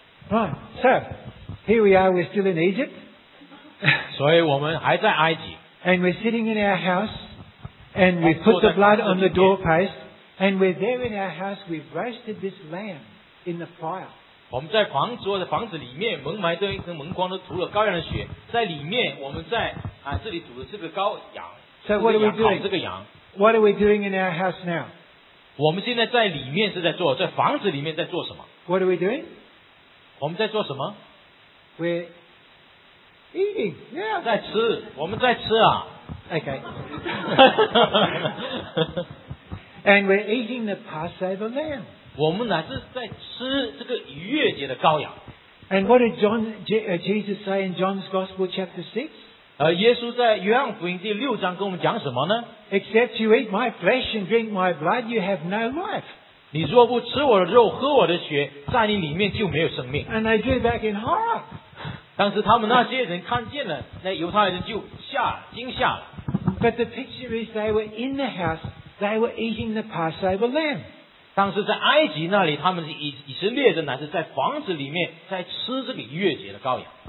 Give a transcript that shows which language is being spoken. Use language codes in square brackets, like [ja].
[en] Right, so, here we are, we're still in Egypt. [zh] 所以我们还在埃及。 [en] And we're sitting in our house, and we put the blood on the doorpost, and we're there in our house, we've roasted this lamb in the fire. [zh] 我们在房子，里面门埋着一层门框，都涂了羔羊的血，在里面，我们在啊这里煮的这个羔羊，这个羊烤这个羊。 [en] What are we doing in our house now? [zh] 我们现在在里面是在做，在房子里面在做什么 [en] ？What are we doing? [zh] 我们在做什么 [en] ？We're eating. Yeah. [zh] 在吃，我们在吃啊。 [en] Okay. And we're eating the Passover lamb. [zh] 我们乃是在吃这个逾越节的羔羊。 [en] And what did John, Jesus say in John's Gospel chapter 6? [zh] 耶稣在约翰福音第六章跟我们讲什么呢？ [en] Except you eat my flesh and drink my blood, you have no life. [zh] 你若不吃我的肉喝我的血，在你里面就没有生命。 [en] And they drew back in horror. [zh] 当时他们那些人看见了，那犹太人就惊吓了。 [en] But the picture is they were in the house, they were eating the Passover lamb. [zh] 当时在埃及那里，他们是以色列人，乃是在房子里面在吃这个逾越节的羔羊。